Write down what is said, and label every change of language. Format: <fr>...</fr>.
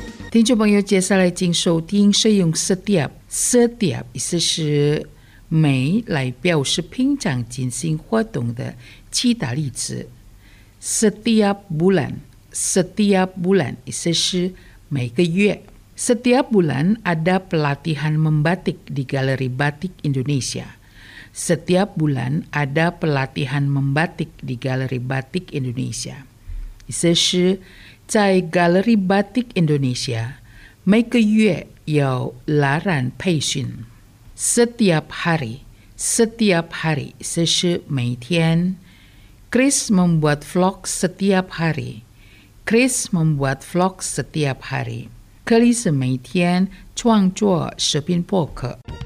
<zh>听众朋友，接下来请收听是用 Setiap， Setiap 意思是每来表示平常进行活动的其他例子。</zh> <id>Setiap Bulan， Setiap Bulan</id> <zh>意思是每个月。</zh> <id>Setiap bulan ada pelatihan membatik di Galeri Batik Indonesia. Setiap bulan ada pelatihan membatik di Galeri Batik Indonesia.</id> <zh>这是 在 Galeri Batik Indonesia, 每个月有蓝染培训.</zh> <id>Setiap hari,</id> <zh>这是每天.</zh> <id>Chris membuat vlog setiap hari.</id> <zh>Chris 每天 创作 视频博客.</zh>